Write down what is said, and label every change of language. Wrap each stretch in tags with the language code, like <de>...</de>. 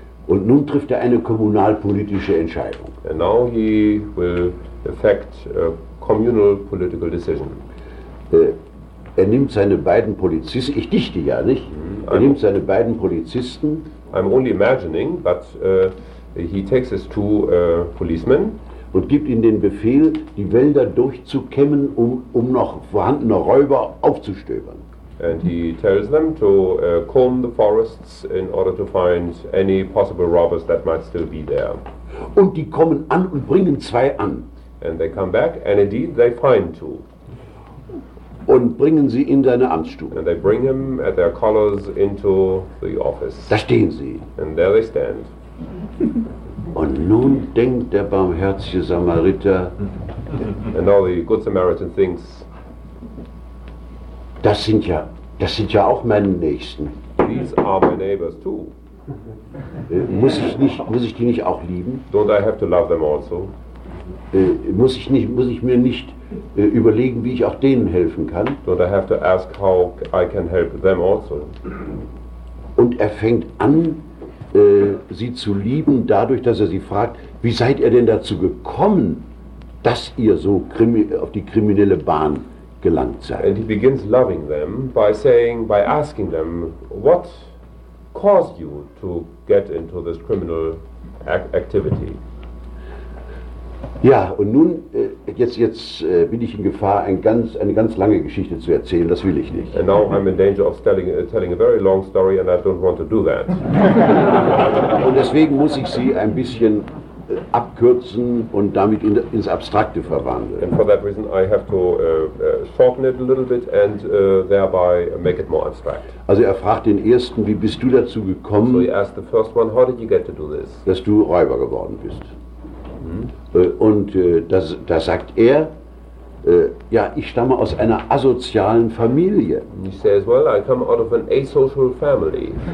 <de>Und nun trifft er eine kommunalpolitische Entscheidung.</de> <en>And now he will effect a communal political decision.</en> <de>Er nimmt seine beiden Polizisten, ich dichte ja, nicht? Er nimmt seine beiden Polizisten.</de> <en>I'm only imagining, but he takes his two policemen.</en> <de>Und gibt ihnen den Befehl, die Wälder durchzukämmen, um noch vorhandene Räuber aufzustöbern.</de> <en>And he tells them to comb the forests in order to find any possible robbers that might still be there.</en> <de>Und die kommen an und bringen zwei an.</de> <en>And they come back, and indeed they find two.</en> <de>Und bringen sie in seine Amtsstube.</de> <en>And they bring him at their collars into the office.</en> <de>Da stehen sie.</de> <en>And there they stand.</en> <de>Und nun denkt der barmherzige Samariter.</de> <en>And now the good Samaritan thinks.</en> <de>Das sind ja auch meine Nächsten.</de> <en>These are my neighbors too.</en> <de>Muss ich die nicht auch lieben?</de> <en>Don't I have to love them also?</en> <de>Muss ich mir nicht überlegen, wie ich auch denen helfen kann?</de> <en>Don't I have to ask how I can help them also?</en> <de>Und er fängt an, sie zu lieben, dadurch, dass er sie fragt, wie seid ihr denn dazu gekommen, dass ihr so auf die kriminelle Bahn gelangt seid?</de> <en>And he begins loving them by saying, by asking them, what caused you to get into this criminal activity?</en> <de>Ja, und nun, jetzt bin ich in Gefahr, eine ganz lange Geschichte zu erzählen, das will ich nicht.</de> <en>And now I'm in danger of telling a very long story and I don't want to do that.</en> <de>Und deswegen muss ich sie ein bisschen abkürzen und damit ins Abstrakte verwandeln.</de> <en>And for that reason I have to shorten it a little bit and thereby make it more abstract.</en> <de>Also er fragt den Ersten, wie bist du dazu gekommen,</de> <en>so he asked the first one, how did you get to do this?</en> <de>Dass du Räuber geworden bist. Und da sagt er, ja, ich stamme aus einer asozialen Familie.</de> <en>He says, well, I come out of an asocial family.</en>